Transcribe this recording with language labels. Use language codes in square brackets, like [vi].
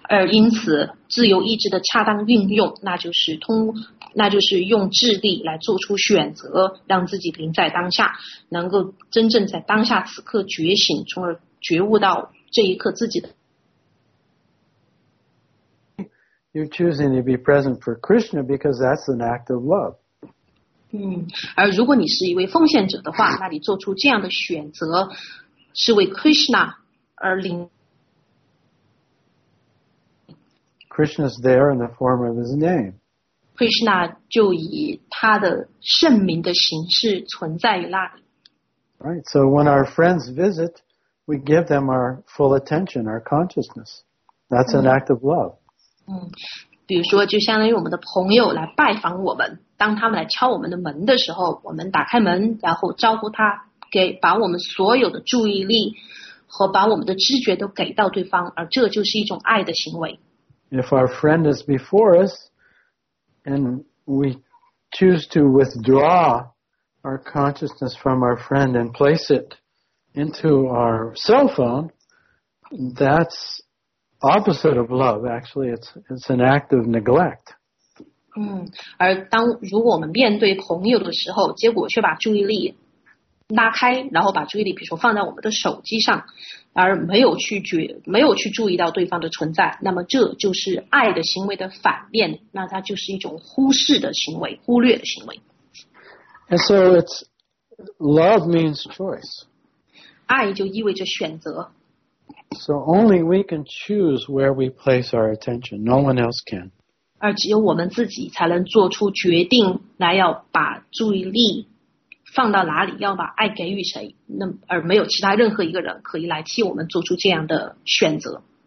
[zh] 因此自由意志的恰当运用，那就是用智力来做出选择，让自己临在当下，能够真正在当下此刻觉醒，从而觉悟到这一刻自己的。 [en] You're choosing to be present for Krishna because that's an act of love. [zh] 而如果你是一位奉献者的话，那你做出这样的选择。是为 Krishna 而临。 [en] Krishna is there in the form of his name. [zh] Krishna 就以他的圣名的形式存在于那里。 [en] Right, so when our friends visit, we give them our full attention, our consciousness. That's an act of love. [zh] 比如说，就相当于我们的朋友来拜访我们，当他们来敲我们的门的时候，我们打开门，然后招呼他。给把我们所有的注意力和把我们的知觉都给到对方，而这就是一种爱的行为。 [en] If our friend is before us, and we choose to withdraw our consciousness from our friend and place it into our cell phone, that's opposite of love. Actually, it's an act of neglect. [zh] 而当如果我们面对朋友的时候，结果却把注意力拉开，然后把注意力，比如说放在我们的手机上，而没有去注意到对方的存在，那么这就是爱的行为的反面，那它就是一种忽视的行为，忽略的行为。 [en] And so it's love means choice. [zh] 爱就意味着选择。 [en] So only we can choose where we place our attention. No one else can. [zh] 而只有我们自己才能做出决定，来要把注意力。放到哪里要把爱给予谁，那而没有其他任何一个人可以来替我们做出这样的选择。